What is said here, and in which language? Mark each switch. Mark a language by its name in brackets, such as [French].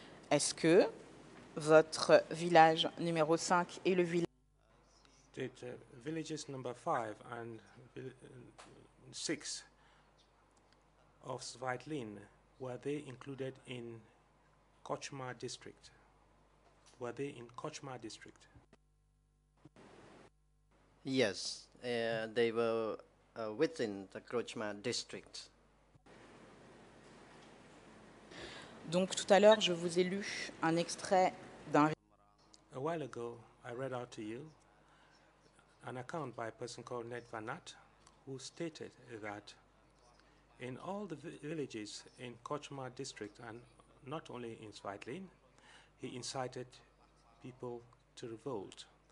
[French] Est-ce que votre village numéro 5 est le village? [English] Did villages number 5 and 6 of Svat Lin, were they included in Krokchmar district? Were they in Krokchmar district? Yes, they were within the Krokchmar district. [French] Donc tout à l'heure, je vous ai lu un extrait d'un... [English] A while ago, I read out to you an account by a person called Ned Van Nutt, who stated that in all the villages in Krokchmar district, and not only in Svat Lin, he incited people to revolt.